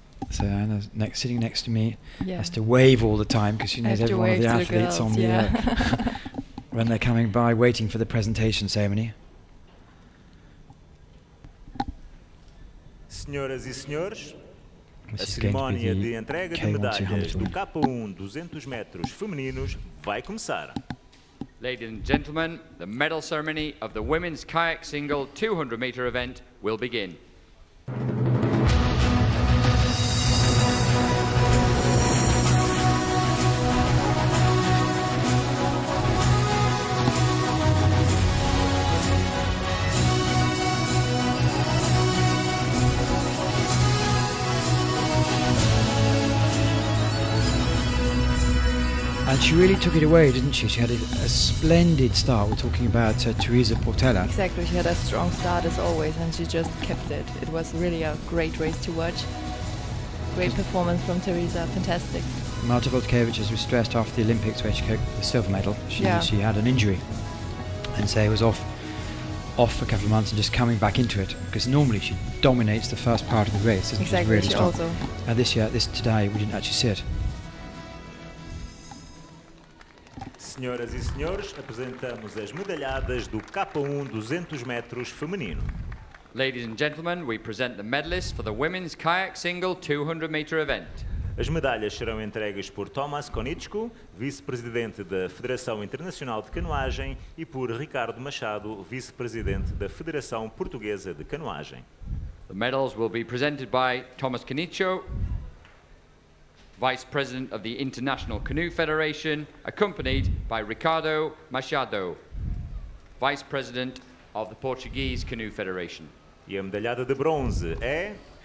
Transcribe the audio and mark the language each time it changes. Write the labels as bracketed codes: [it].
[en] So Anna, sitting next to me, yeah, has to wave all the time because she knows every one of the athletes the girls, on yeah, the when they're coming by, waiting for the presentation ceremony. [pt] Senhoras e senhores, a cerimónia de entrega de medalhas do K1 200 metros femininos vai começar. [en] Ladies and gentlemen, the medal ceremony of the women's kayak single 200 meter event will begin. She really took it away, didn't she? She had a splendid start. We're talking about Teresa Portela. Exactly. She had a strong start as always, and she just kept it. It was really a great race to watch. Great performance from Teresa. Fantastic. Marta Voltkevic, as we stressed after the Olympics, where she got the silver medal, she had an injury. And so it was off for a couple of months and just coming back into it, because normally she dominates the first part of the race. Exactly. She's really strong. Also. And this year, today, we didn't actually see it. [pt] Senhoras e senhores, apresentamos as medalhadas do K1 200 metros feminino. [en] Ladies and gentlemen, we present the medalists for the women's kayak single 200 meter event. [pt] As medalhas serão entregues por Thomas Konitschko, vice-presidente da Federação Internacional de Canoagem, e por Ricardo Machado, vice-presidente da Federação Portuguesa de Canoagem. [en] The medals will be presented by Thomas Konitschko, Vice President of the International Canoe Federation, accompanied by Ricardo Machado, Vice President of the Portuguese Canoe Federation. [pt] E a medalhada de bronze é?